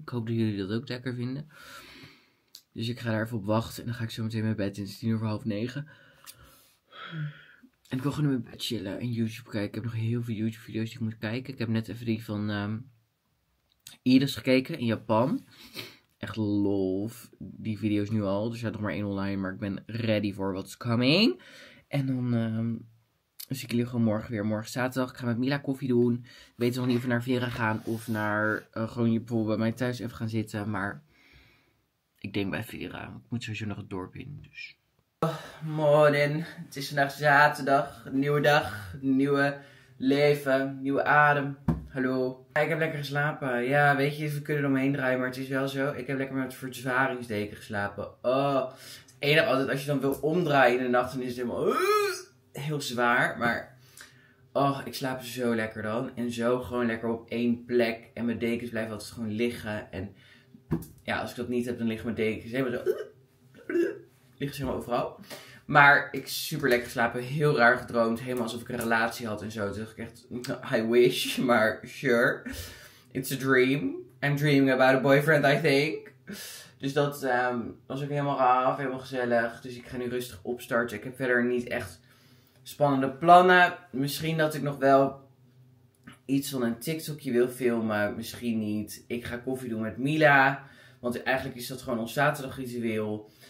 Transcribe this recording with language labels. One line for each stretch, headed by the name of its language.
Dutch: Ik hoop dat jullie dat ook lekker vinden. Dus ik ga daar even op wachten. En dan ga ik zo meteen mijn bed in. Het is 9:30. En ik wil gewoon in mijn bed chillen. En YouTube kijken. Ik heb nog heel veel YouTube video's die ik moet kijken. Ik heb net even die van Iris gekeken in Japan. Echt lof. Die video's nu al. Er staat nog maar één online.
English: Maar ik ben ready for what's coming.
Dutch: En dan zie ik jullie gewoon morgen weer. Morgen zaterdag. Ik ga met Mila koffie doen. Ik weet nog niet of we naar Vera gaan. Of naar gewoon je bijvoorbeeld bij mij thuis even gaan zitten. Maar ik denk bij Vera. Ik moet sowieso nog het dorp in. Dus.
English: Oh, morning.
Dutch: Het is vandaag zaterdag. Nieuwe dag. Nieuwe leven. Nieuwe adem. Hallo. Ja, ik heb lekker geslapen. Ja, weet je, we kunnen er omheen draaien, maar het is wel zo. Ik heb lekker met verzwaringsdeken geslapen. Oh. Het enige altijd, als je dan wil omdraaien in de nacht, dan is het helemaal heel zwaar. Maar, oh, ik slaap zo lekker dan. En zo gewoon lekker op één plek. En mijn dekens blijven altijd gewoon liggen. En ja, als ik dat niet heb, dan liggen mijn dekens helemaal zo. Liggen ze helemaal overal. Maar ik heb super lekker geslapen, heel raar gedroomd, helemaal alsof ik een relatie had en zo. Toen dacht ik echt,
English: I wish,
Dutch: maar sure.
English: It's a dream. I'm dreaming about a boyfriend, I think.
Dutch: Dus dat was ook helemaal gaaf, helemaal gezellig. Dus ik ga nu rustig opstarten. Ik heb verder niet echt spannende plannen. Misschien dat ik nog wel iets van een TikTokje wil filmen, misschien niet. Ik ga koffie doen met Mila, want eigenlijk is dat gewoon ons zaterdagritueel.